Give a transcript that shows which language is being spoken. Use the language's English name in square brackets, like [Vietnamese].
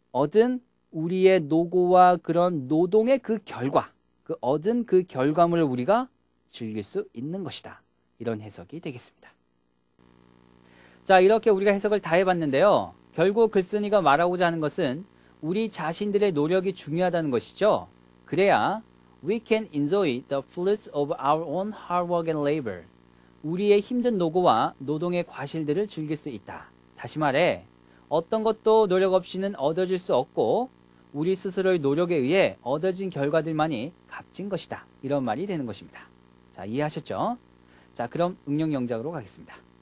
[Korean] 얻은 우리의 노고와 그런 노동의 그 결과, 그 얻은 그 결과물을 우리가 즐길 수 있는 것이다. 이런 해석이 되겠습니다. 자, 이렇게 우리가 해석을 다 해봤는데요. 결국 글쓴이가 말하고자 하는 것은 우리 자신들의 노력이 중요하다는 것이죠. 그래야 [English] we can enjoy the fruits of our own hard work and labor. [Korean] 우리의 힘든 노고와 노동의 과실들을 즐길 수 있다. 다시 말해 어떤 것도 노력 없이는 얻어질 수 없고 우리 스스로의 노력에 의해 얻어진 결과들만이 값진 것이다. 이런 말이 되는 것입니다. 자, 이해하셨죠? 자, 그럼 응용 영작으로 가겠습니다.